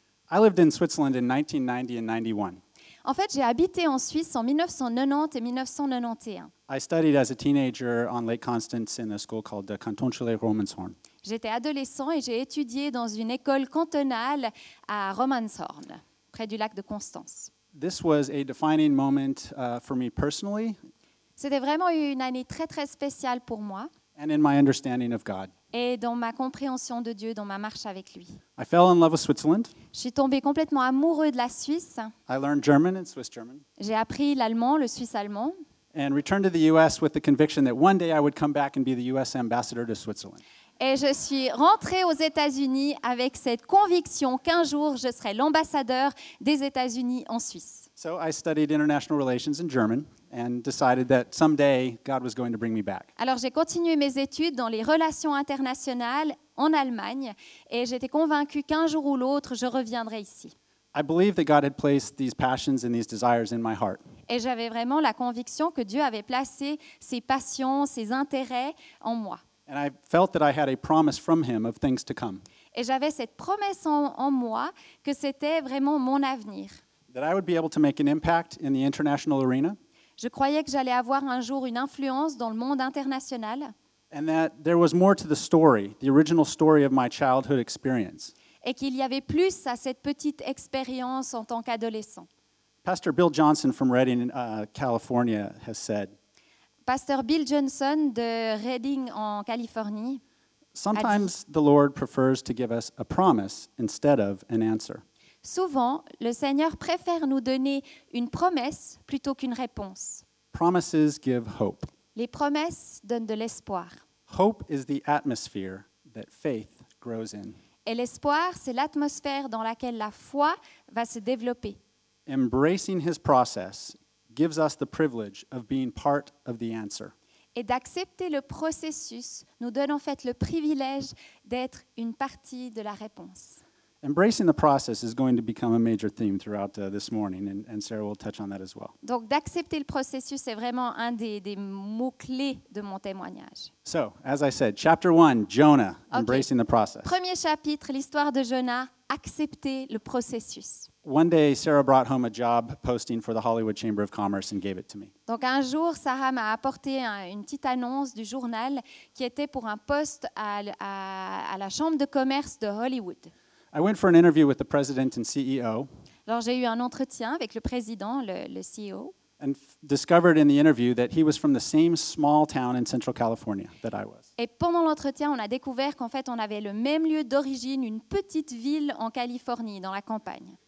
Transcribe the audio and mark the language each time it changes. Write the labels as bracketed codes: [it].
[en] I lived in Switzerland in 1990 and 91. [fr] En fait, j'ai habité en Suisse en 1990 et 1991. [en] I studied as a teenager on Lake Constance in a school called the Canton Chalais-Romanshorn. [fr] J'étais adolescent et j'ai étudié dans une école cantonale à Romanshorn, près du lac de Constance. [en] This was a defining moment for me personally. [fr] C'était vraiment une année très très spéciale pour moi. [en] And in my understanding of God. [fr] Et dans ma compréhension de Dieu, dans ma marche avec lui. [en] I fell in love with Switzerland. [fr] Je suis tombé complètement amoureux de la Suisse. [en] I learned German and Swiss German. [fr] J'ai appris l'allemand, le suisse allemand. [en] And returned to the U.S. with the conviction that one day I would come back and be the U.S. ambassador to Switzerland. [fr] Et je suis rentrée aux États-Unis avec cette conviction qu'un jour je serai l'ambassadeur des États-Unis en Suisse. [en] So I studied international relations in German and decided that someday God was going to bring me back. [fr] Alors j'ai continué mes études dans les relations internationales en Allemagne et j'étais convaincue qu'un jour ou l'autre je reviendrai ici. [en] I believe that God had placed these passions and these desires in my heart. [fr] Et j'avais vraiment la conviction que Dieu avait placé ces passions, ces intérêts en moi. [en] And I felt that I had a promise from him of things to come. [fr] Et j'avais cette promesse en moi que c'était vraiment mon avenir. [en] That I would be able to make an impact in the international arena. [fr] Je croyais que j'allais avoir un jour une influence dans le monde international. [en] And that there was more to the story, the original story of my childhood experience. [fr] Et qu'il y avait plus à cette petite expérience en tant qu'adolescent. [en] Pastor Bill Johnson from Redding, California has said. [fr] Pasteur Bill Johnson de Redding en Californie. [en] Sometimes the Lord prefers to give us a promise instead of an answer. [fr] Souvent, le Seigneur préfère nous donner une promesse plutôt qu'une réponse. [en] Promises give hope. [fr] Les promesses donnent de l'espoir. [en] Hope is the atmosphere that faith grows in. [fr] Et l'espoir, c'est l'atmosphère dans laquelle la foi va se développer. [en] Embracing his process gives us the privilege of being part of the answer. [fr] Et d'accepter le processus nous donne en fait le privilège d'être une partie de la réponse. [en] Embracing the process is going to become a major theme throughout this morning, and Sarah will touch on that as well. [fr] Donc d'accepter le processus est vraiment un des mots clés de mon témoignage. [en] So, as I said, chapter 1, Jonah, okay. Embracing the process. [fr] Premier chapitre, l'histoire de Jonah, accepter le processus. [en] One day, Sarah brought home a job posting for the Hollywood Chamber of Commerce and gave it to me. [fr] Donc un jour, Sarah m'a apporté une petite annonce du journal qui était pour un poste à la Chambre de Commerce de Hollywood. [en] I went for an interview with the president and CEO. [fr] Alors j'ai eu un entretien avec le président, le CEO. [en] And discovered in the interview that he was from the same small town in Central California that I was. [fr] Et pendant l'entretien, on a découvert qu'en fait, on avait le même lieu d'origine, une petite ville en Californie, dans la campagne.